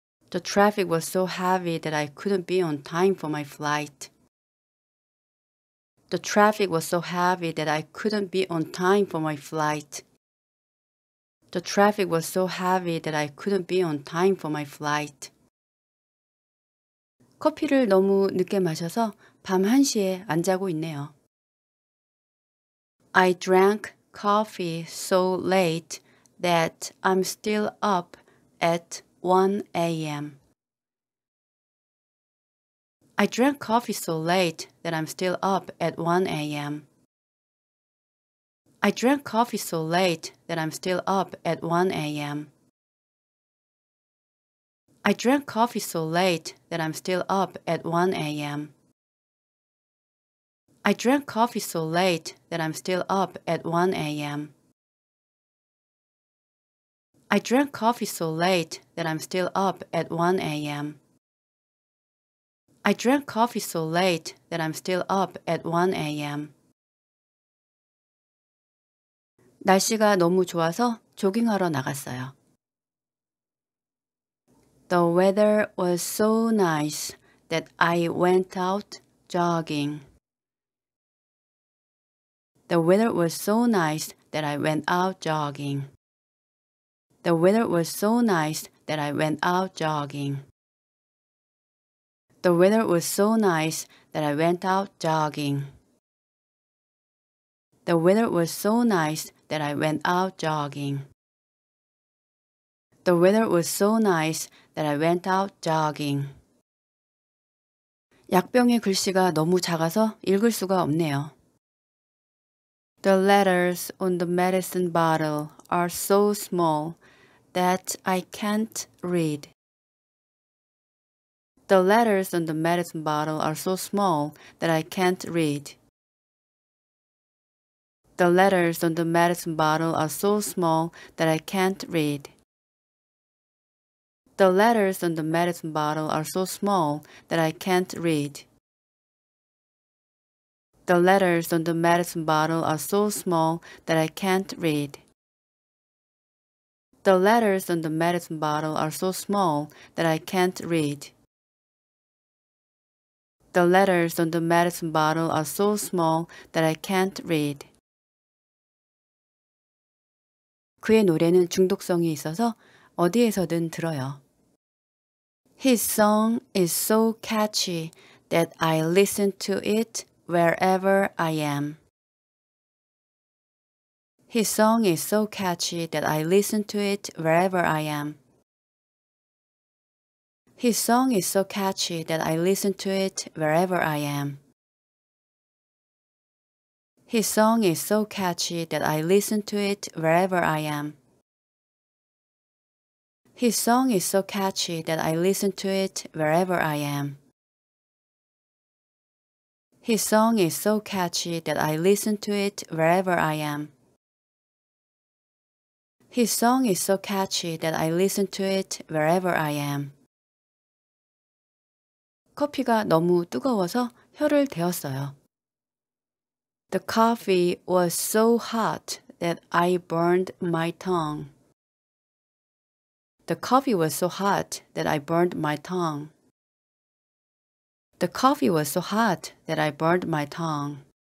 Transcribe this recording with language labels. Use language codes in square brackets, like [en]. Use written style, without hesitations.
[en] The traffic was so heavy that I couldn't be on time for my flight. The traffic was so heavy that I couldn't be on time for my flight. The traffic was so heavy that I couldn't be on time for my flight. [ko] 커피를 너무 늦게 마셔서 밤 1시에 안 자고 있네요. [en] I drank coffee so late that I'm still up at 1 a.m. I drank coffee so late that I'm still up at 1 a.m. I drank coffee so late that I'm still up at 1 a.m. I drank coffee so late that I'm still up at 1 a.m. I drank coffee so late that I'm still up at 1 a.m. I drank coffee so late that I'm still up at 1 a.m. I drank coffee so late that I'm still up at 1 a.m. [ko] 날씨가 너무 좋아서 조깅하러 나갔어요. [en] The weather was so nice that I went out jogging. The weather was so nice that I went out jogging. The weather was so nice that I went out jogging. The weather was so nice that I went out jogging. The weather was so nice that I went out jogging. The weather was so nice that I went out jogging. [ko] 약병의 글씨가 너무 작아서 읽을 수가 없네요. [en] The letters on the medicine bottle are so small that I can't read. The letters on the medicine bottle are so small that I can't read. The letters on the medicine bottle are so small that I can't read. The letters on the medicine bottle are so small that I can't read. The letters on the medicine bottle are so small that I can't read. The letters on the medicine bottle are so small that I can't read. The letters on the medicine bottle are so small that I can't read. [ko] 그의 노래는 중독성이 있어서 어디에서든 들어요. [en] His song is so catchy that I listen to it wherever I am. His song is so catchy that I listen to it wherever I am. His song is so catchy that I listen to it wherever I am. His song is so catchy that I listen to it wherever I am. His song is so catchy that I listen to it wherever I am. His song is so catchy that I listen to it wherever I am. His song is so catchy that I listen to it wherever I am. [ko] 커피가 너무 뜨거워서 혀를 데웠어요. [en] The coffee was so hot that I burned my tongue. The coffee was so hot that I burned my tongue. The coffee was so hot that I burned my tongue.